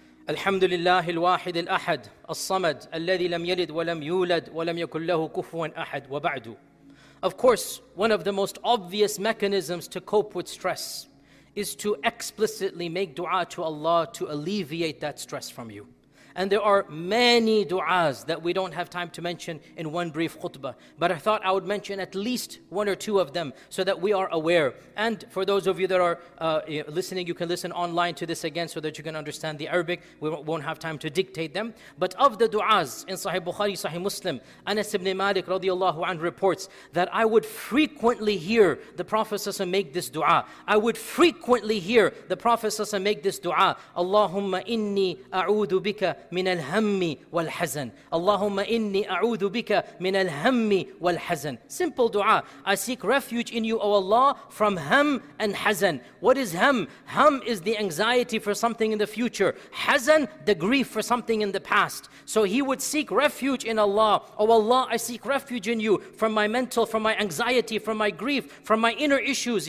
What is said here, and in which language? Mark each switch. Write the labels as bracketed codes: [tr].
[ar] الحمد لله الواحد الأحد الصمد الذي لم يلد ولم يولد ولم يكن له كفوا أحد وبعد. [en] Of course, one of the most obvious mechanisms to cope with stress is to explicitly make dua to Allah to alleviate that stress from you. And there are many du'as that we don't have time to mention in one brief khutbah. But I thought I would mention at least one or two of them so that we are aware. And for those of you that are listening, you can listen online to this again so that you can understand the Arabic. We won't have time to dictate them. But of the du'as in Sahih Bukhari, Sahih Muslim, Anas ibn Malik radiallahu anhu reports that I would frequently hear the Prophet ﷺ make this du'a. I would frequently hear the Prophet ﷺ make this du'a. [ar] Allahumma inni a'udhu bika من الهم والحزن. اللهم إني أعوذ بك من الهم والحزن. [en] Simple dua. I seek refuge in you, O Allah, from ham and hazan. What is ham? Ham is the anxiety for something in the future. Hazan, the grief for something in the past. So he would seek refuge in Allah. O Allah, I seek refuge in you from my mental, from my anxiety, from my grief, from my inner issues.